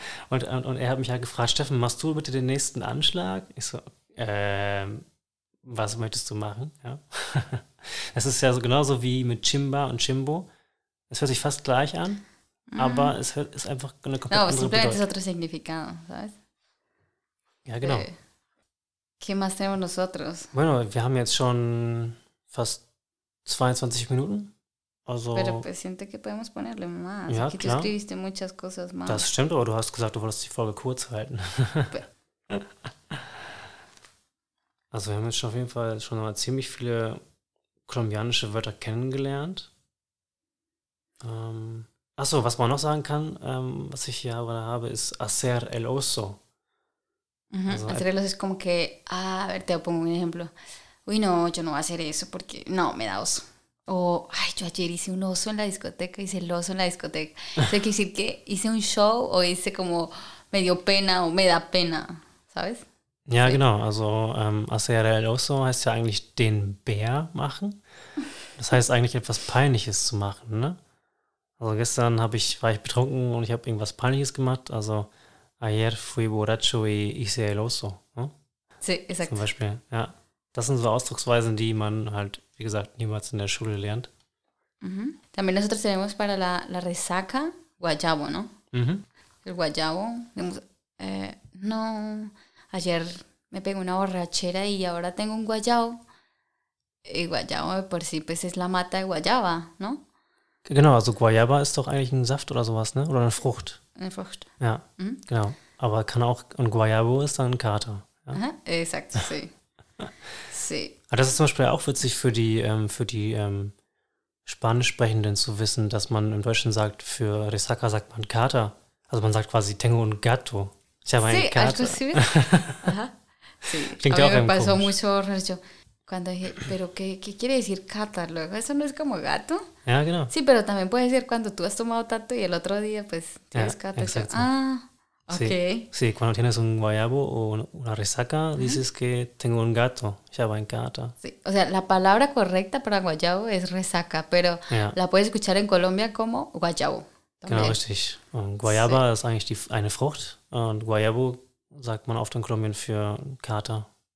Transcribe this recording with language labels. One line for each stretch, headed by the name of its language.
German: Und er hat mich halt gefragt, Steffen, machst du bitte den nächsten Anschlag? Ich so, was möchtest du machen? Ja. Das ist ja so genauso wie mit Chimba und Chimbo. Es hört sich fast gleich an, aber es ist einfach eine komplett andere Bedeutung.
Spanish: Simplemente es otro significado, ¿sabes?
German: Ja, genau.
Spanish: ¿Qué más tenemos nosotros? Bueno,
German: wir haben jetzt schon fast 22 Minuten. Also,
Spanish: pero pues siento que podemos ponerle más. Ja, aquí klar. Tú escribiste muchas cosas más.
German: Das stimmt, aber du hast gesagt, du wolltest die Folge kurz halten. Also wir haben jetzt schon auf jeden Fall schon mal ziemlich viele kolumbianische Wörter kennengelernt. Achso, was man noch sagen kann, was ich hier aber habe, ist
Spanish: hacer el oso. Mhm. Also, hacer el oso ist como que, a ver, te pongo un ejemplo. Uy, no, yo no voy a hacer eso porque, no, me da oso. O, ay, yo ayer hice un oso en la discoteca, hice el oso en la discoteca. Eso quiere decir que hice un show o hice como, me dio pena o me da pena, ¿sabes?
German: Ja, genau. Also
Spanish: hacer el oso
German: heißt ja eigentlich den Bär machen. Das heißt eigentlich etwas Peinliches zu machen, ne? Also gestern war ich betrunken und ich habe irgendwas Peinliches gemacht.
Spanish: Also ayer fui borracho y hice el oso.
German: Ne?
Spanish: Sí, exacto.
German: Zum Beispiel, ja. Das sind so Ausdrucksweisen, die man halt, wie gesagt, niemals in der Schule lernt. Mm-hmm.
Spanish: También nosotros tenemos para la resaca guayabo, ¿no? Mm-hmm. El guayabo. No... Ayer me pegó una borrachera y ahora tengo un guayabo. Y guayabo por sí, pues es la mata de guayaba, ¿no?
German: Genau, also Guayaba ist doch eigentlich ein Saft oder sowas, ne? Oder eine Frucht. Eine Frucht. Ja, mhm. Genau. Aber kann auch, und Guayabo ist dann ein Kater. Ja?
Spanish: Aha, exakt, sí. Sí.
German: Aber das ist zum Beispiel auch witzig für die Spanisch Sprechenden zu wissen, dass man im Deutschen sagt, für Resaca sagt man Kater. Also man sagt quasi
Spanish: Tengo un gato.
German: Ich habe einen Kater. Ajá.
Spanish: Sí.
German: Klingt auch irgendwie
Spanish: pasó
German: komisch.
Spanish: Mucho horror. Cuando dije, pero qué quiere decir Kater? Luego, eso no es como gato.
German: Ja, genau.
Spanish: Sí, pero también puede decir cuando tú has tomado tanto y el otro día, pues, tienes Kater. Ja, exacto. Ah, okay. Sí, cuando tienes un guayabo o una resaca, dices que tengo un gato.
German: Ich habe einen Kater.
Spanish: Sí, o sea, la palabra correcta para guayabo es resaca, pero la puedes escuchar en Colombia como guayabo.
German: Genau, richtig. Und Guayaba ist eigentlich eine Frucht. Und Guayabo sagt man oft in Kolumbien für Kater.